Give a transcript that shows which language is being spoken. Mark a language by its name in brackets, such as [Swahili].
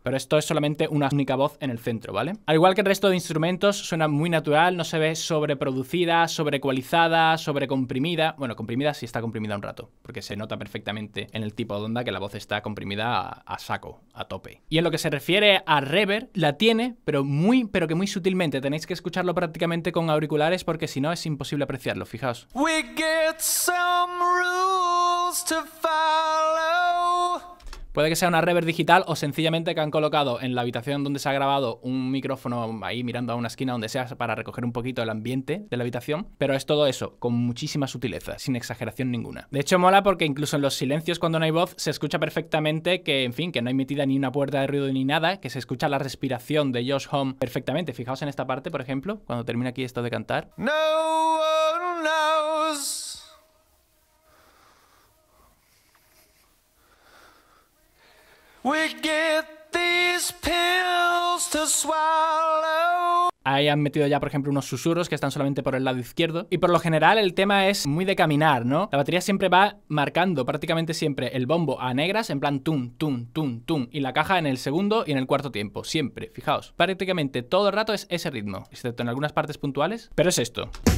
[Spanish] Pero esto es solamente una única voz en el centro, ¿vale? Al igual que el resto de instrumentos, suena muy natural, no se ve sobreproducida, sobreecualizada, sobrecomprimida. Bueno, comprimida sí está comprimida un rato, porque se nota perfectamente en el tipo de onda que la voz está comprimida a saco, a tope. Y en lo que se refiere a reverb, la tiene, pero muy, pero que muy sutilmente. Tenéis que escucharlo prácticamente con auriculares porque si no es imposible apreciarlo, fijaos. [English] We get some rules to follow. [Spanish] Puede que sea una reverb digital o sencillamente que han colocado en la habitación donde se ha grabado un micrófono ahí mirando a una esquina donde sea para recoger un poquito el ambiente de la habitación, pero es todo eso, con muchísima sutileza, sin exageración ninguna. De hecho mola porque incluso en los silencios cuando no hay voz se escucha perfectamente que, en fin, que no hay metida ni una puerta de ruido ni nada, que se escucha la respiración de Josh Homme perfectamente. Fijaos en esta parte, por ejemplo, cuando termina aquí esto de cantar. [English] No one knows. We get these pills to swallow. [Spanish] Ahí han metido ya, por ejemplo, unos susurros que están solamente por el lado izquierdo. Y por lo general el tema es muy de caminar, ¿no? La batería siempre va marcando prácticamente siempre el bombo a negras en plan tum, tum, tum, tum. Y la caja en el segundo y en el cuarto tiempo, siempre. Fijaos, prácticamente todo el rato es ese ritmo, excepto en algunas partes puntuales. Pero es esto.